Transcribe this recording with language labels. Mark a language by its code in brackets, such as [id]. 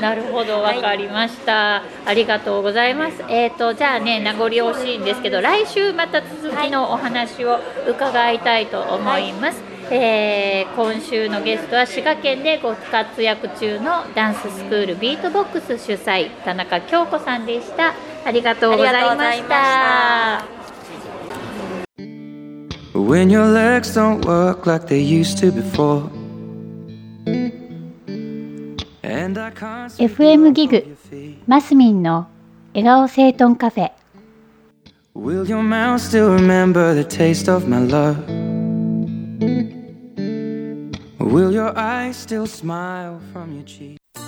[ja] なるほど、わかりました、はい、ありがとうございます、じゃあね、名残惜しいんですけど、来週また続きのお話を伺いたいと思います、はい、今週のゲストは滋賀県でご活躍中のダンススクールビートボックス主催、田中京子さんでした。ありがとうございました。 [en] When your legs don't work like they used to before. And I can't see FM ギグマスミンの笑顔整頓カフェ。 Will your mouth still remember the taste of my love? Will your eyes still smile from your cheek?